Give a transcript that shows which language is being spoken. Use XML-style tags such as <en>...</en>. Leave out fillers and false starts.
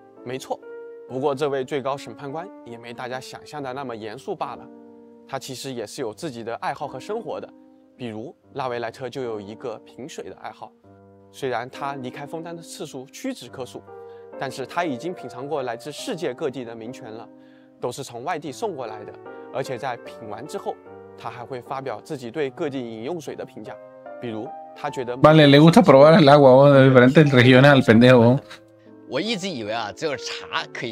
<zh>没错，不过这位最高审判官也没大家想象的那么严肃罢了，他其实也是有自己的爱好和生活的，比如纳维莱特就有一个品水的爱好。虽然他离开枫丹的次数屈指可数，但是他已经品尝过来自世界各地的名泉了，都是从外地送过来的，而且在品完之后，他还会发表自己对各地饮用水的评价，比如他觉得</zh> <es>Vale, le gusta probar el agua de diferentes regiones al pendejo.</es> <zh>我一直以为啊，只有茶可以。</zh>